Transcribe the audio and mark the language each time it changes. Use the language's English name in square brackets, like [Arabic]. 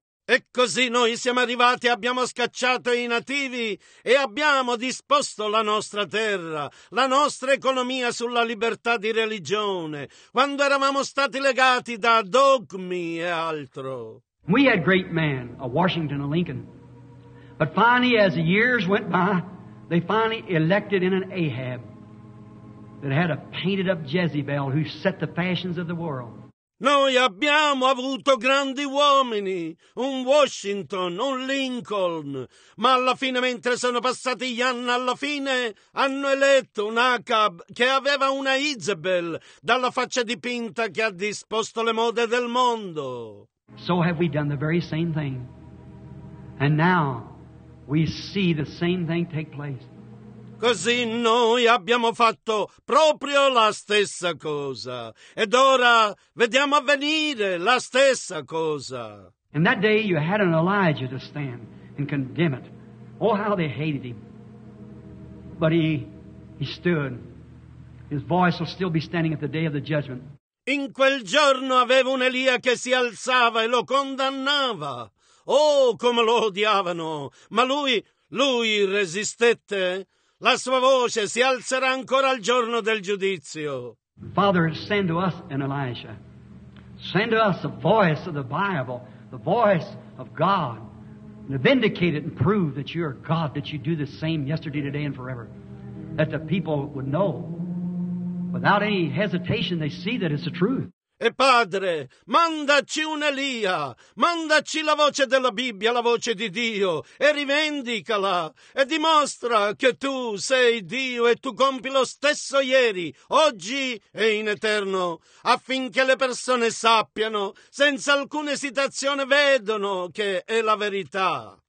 [Italian] E così noi siamo arrivati, abbiamo scacciato i nativi e abbiamo disposto la nostra terra, la nostra economia sulla libertà di religione, quando eravamo stati legati da dogmi e altro. [English] We had great men, a Washington, a Lincoln, but finally as the years went by, they finally elected in an Ahab that had a painted up Jezebel who set the fashions of the world. [Italian] Noi abbiamo avuto grandi uomini, un Washington, un Lincoln, ma alla fine, mentre sono passati gli anni, alla fine hanno eletto un Acab che aveva una Jezebel dalla faccia dipinta che ha disposto le mode del mondo. [English] So have we done the very same thing. And now we see the same thing take place. [Italian] Così noi abbiamo fatto proprio la stessa cosa. Ed ora vediamo avvenire la stessa cosa. [English] In that day you had an Elijah to stand and condemn it. Oh, how they hated him. But he stood. His voice will still be standing at the day of the judgment. [Italian] In quel giorno aveva un Elia che si alzava e lo condannava. Oh, come lo odiavano. Ma lui resistette. La sua voce si alzerà ancora al giorno del giudizio. [English] Father, send to us an Elijah. Send to us the voice of the Bible, the voice of God. And vindicate it and prove that you are God, that you do the same yesterday, today, and forever. That the people would know. Without any hesitation, they see that it's the truth. [Italian] E Padre, mandaci un Elia, mandaci la voce della Bibbia, la voce di Dio, e rivendicala, e dimostra che tu sei Dio e tu compi lo stesso ieri, oggi e in eterno, affinché le persone sappiano, senza alcuna esitazione, vedono che è la verità.